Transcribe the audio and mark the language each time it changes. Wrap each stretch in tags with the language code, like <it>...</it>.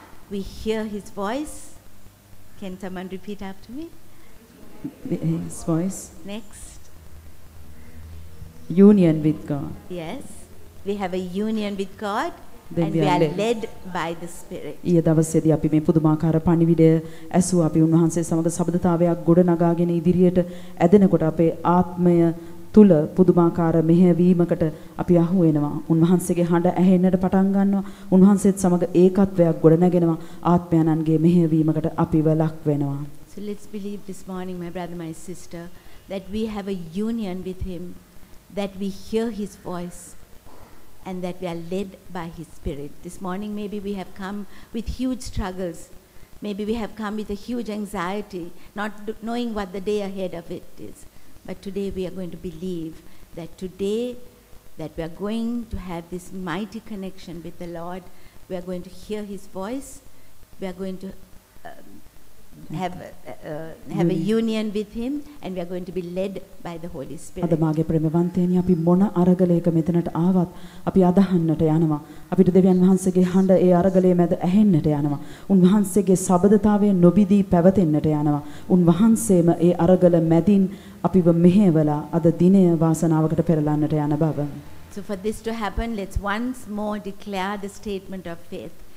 <en>We hear His voice. Can someone repeat after me? His voice. Next. Union with God. Yes. We have a union with God. Then and we are led by the Spirit.</en> <si>ඊය දවසේදී අපි මේ පුදුමාකාර පණිවිඩය ඇසුවා. අපි උන්වහන්සේ සමඟ සබඳතාවයක් ගොඩනගාගෙන ඉදිරියට ඇදෙනකොට අපේ ආත්මය තුල පුදුමාකාර මෙහෙයවීමකට අපි අහු වෙනවා. උන්වහන්සේගේ හඬ ඇහෙන්නට පටන් ගන්නවා. උන්වහන්සේත් සමඟ ඒකත්වයක් ගොඩනැගෙනවා. ආත්මයන්න්ගේ මෙහෙයවීමකට අපිව ලක් වෙනවා.</si> <en>So let's believe this morning, my brother, my sister, that we have a union with Him, that we hear His voice, and that we are led by His Spirit. This morning maybe we have come with huge struggles. Maybe we have come with a huge anxiety, not knowing what the day ahead of it is. But today we are going to believe that today that we are going to have this mighty connection with the Lord. We are going to hear His voice. We are going to have a union with Him, and we are going to be led by the Holy Spirit.</en> <si>අද මාගේ ප්‍රේමවන්තයනි අපි මොන අරගලයක මෙතනට ආවත් අපි අදහන්නට යනවා අපිට දෙවියන් වහන්සේගේ හඬ ඒ අරගලයේ මැද ඇහෙන්නට යනවා උන්වහන්සේගේ සබදතාවයේ නොබිදී පැවතෙන්නට යනවා උන්වහන්සේම ඒ අරගල මැදින් අපිව මෙහෙවලා අද දිනය වාසනාවකට පෙරලන්නට යන බව. So for this to happen, let's once more declare the statement of faith.</si>